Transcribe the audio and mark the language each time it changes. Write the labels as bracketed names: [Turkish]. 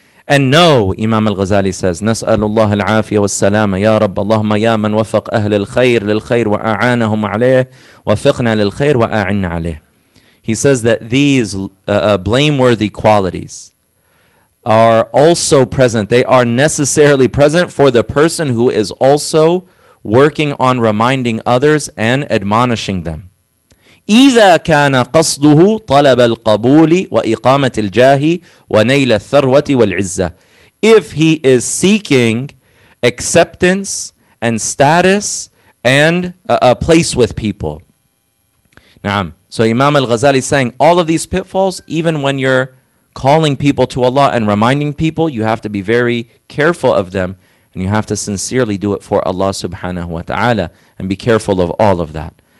[English] And no, Imam al-Ghazali says, [Arabic] نسأل الله العافية والسلامة يا رب اللهم يا من وفق أهل الخير للخير وأعانهم عليه وفقنا للخير وأعنا عليه. [English] He says that these blameworthy qualities are also present. They are necessarily present for the person who is also working on reminding others and admonishing them. [Arabic] إذا كان قصده طلب القبول وإقامة الجاه ونيل الثروة والعزة. [English] If he is seeking acceptance and status and a place with people. [Arabic] نعم. [English] So Imam al-Ghazali is saying all of these pitfalls, even when you're calling people to Allah and reminding people, you have to be very careful of them and you have to sincerely do it for Allah subhanahu wa ta'ala and be careful of all of that.